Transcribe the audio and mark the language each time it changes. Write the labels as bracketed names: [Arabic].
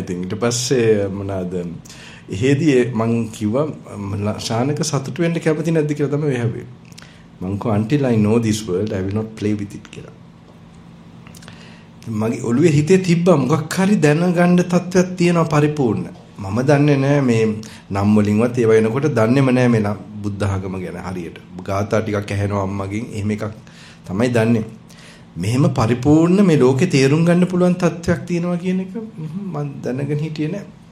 [Sinhala] ඉතින් ඊට පස්සේ මොනවාද එහෙදි මං කිව්වා ශානක සතුට වෙන්න කැමති නැද්ද කියලා තමයි එහැවේ. මං කෝ [English] until I know this world I will not play with it [Sinhala] කියලා. මගේ ඔළුවේ හිතේ තිබ්බා මොකක් හරි දැනගන්න තත්ත්වයක් තියෙනවා පරිපූර්ණ. මම දන්නේ නැහැ මේ නම් වලින්වත් ඒව වෙනකොට දන්නේම නැහැ මේ බුද්ධ학ම ගැන හරියට. ගාථා ටිකක් ඇහෙනවා අම්මගෙන් එහෙම එකක් තමයි දන්නේ. මෙහෙම පරිපූර්ණ මේ ලෝකේ තේරුම් ගන්න පුළුවන් තත්ත්වයක් තියෙනවා කියන එක මං දැනගෙන හිටියේ නැහැ.